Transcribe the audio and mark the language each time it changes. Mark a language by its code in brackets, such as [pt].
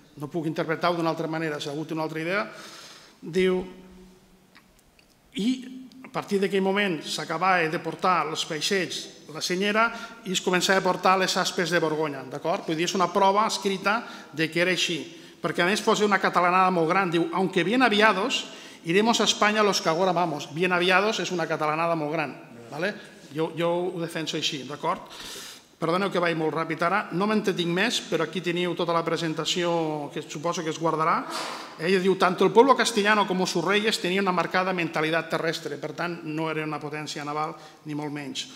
[ca] No puc interpretar-ho d'una altra manera, si ha hagut una altra idea. Diu, i a partir d'aquell moment s'acabava de portar els peixets la senyera i es començava a portar les aspes de Borgonya, d'acord? Vull dir, és una prova escrita de que era així, perquè a més fos una catalanada molt gran. [es] Diu, aunque bien aviados, iremos a España los que ahora vamos. [ca] Bien aviados és una catalanada molt gran, ¿vale? Jo ho defenso així, d'acord? Perdoneu que vaig molt ràpid ara, no m'entretinc més, però aquí teniu tota la presentació que suposo que es guardarà. Ella diu, [es] tanto el pueblo castellano como sus reyes tenían una marcada mentalidad terrestre, [ca] per tant, no era una potència naval, ni molt menys.